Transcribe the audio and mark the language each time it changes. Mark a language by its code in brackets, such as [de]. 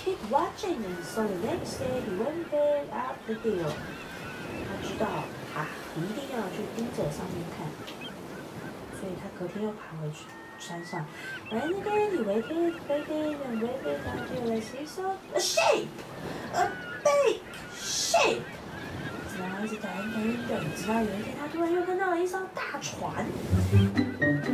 [en] Watching, and so the next day he went back up the hill. [zh] 他知道他一定要去盯着上面看，所以他隔天又爬回去山上。 [en] And again he waited, waited, and waited until he saw a shape, a big shape. [zh] 直到一直等等等等，直到有一天他突然又看到了一艘大船。